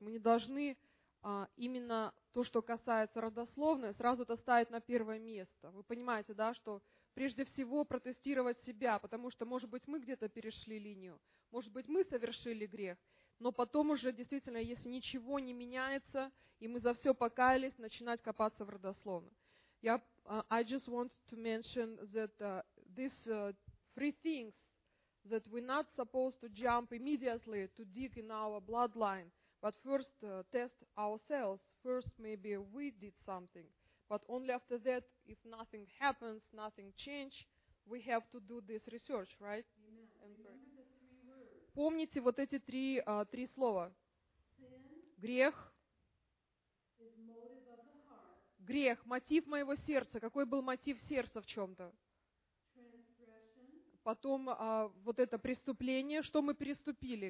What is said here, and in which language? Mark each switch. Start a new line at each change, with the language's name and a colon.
Russian: Мы не должны именно то, что касается родословной, сразу это ставить на первое место. Вы понимаете, да, что прежде всего протестировать себя, потому что, может быть, мы где-то перешли линию, может быть, мы совершили грех. Но потом уже, действительно, если ничего не меняется, и мы за все покаялись, начинать копаться в родословной.
English: I just want to mention that these three things, that we're not supposed to jump immediately to dig in our bloodline, but first test ourselves. First, maybe we did something. But only after that, if nothing happens, nothing changed, we have to do this research, right?
Russian: Помните вот эти три слова. Грех. Грех. Мотив моего сердца. Какой был мотив сердца в чем-то? Потом вот это преступление. Что мы переступили?